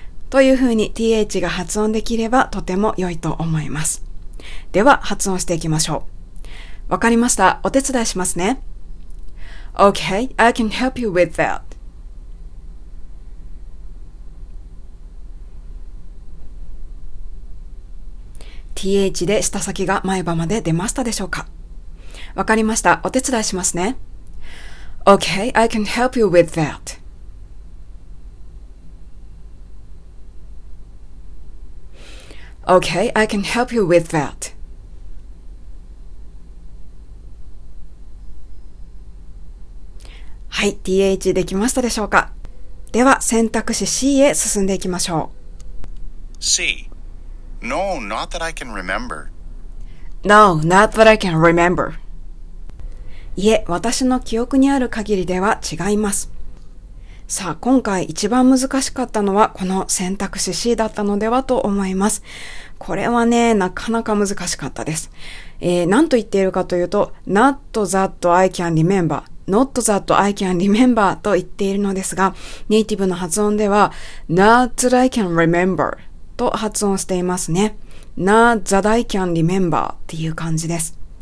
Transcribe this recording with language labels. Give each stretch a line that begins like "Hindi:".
Japanese: というふうに th が発音できればとても良いと思います。では発音していきましょう。わかりました。お手伝いしますね。
English: Okay, I can help you with that.
Japanese: th で舌先が前歯まで出ましたでしょうか。わかりました。お手伝いしますね。
English: Okay, I can help you with that. Okay, I can help you with that.
Japanese: はい、TH できましたでしょうか。では選択肢 C へ進んでいきましょう。
English: C. No, not that I can remember. No, not that I can remember.
Japanese: いえ、私の記憶にある限りでは違います。さあ、今回一番難しかったのはこの選択肢 C だったのではと思います。これはね、なかなか難しかったです。何と言っているかというと、
English: Not that I can remember,
Japanese: not that I can remember と言っているのですが、ネイティブの発音では、
English: Not that I can remember
Japanese: と発音していますね。Not that I can remember っていう感じです。